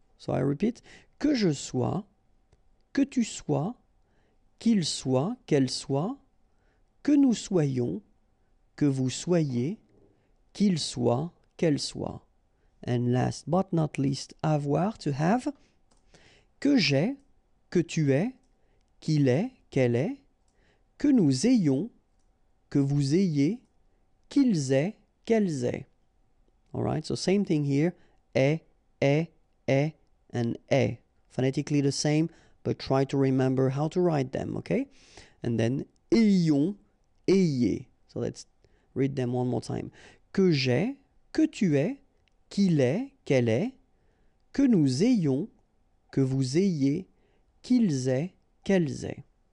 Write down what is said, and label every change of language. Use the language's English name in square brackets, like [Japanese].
[English] So I repeat, [French] que je sois, que tu sois, qu'il soit, qu'elle soit, que nous soyons, que vous soyez, qu'il soit, qu'elle soit. [English] And last but not least, avoir, to have. [French] Que j'ai, que tu es, qu'il est, qu'elle est. Que nous ayons, que vous ayez, qu'ils aient, qu'elles aient. [English] Alright, so same thing here. Est, and est. Phonetically the same, but try to remember how to write them, okay? And then, ayons, ayez. So let's read them one more time. [French] Que j'ai, que tu es, qu'il est, qu'elle est, que nous ayons, que vous ayez, qu'ils aient, qu'elles aient.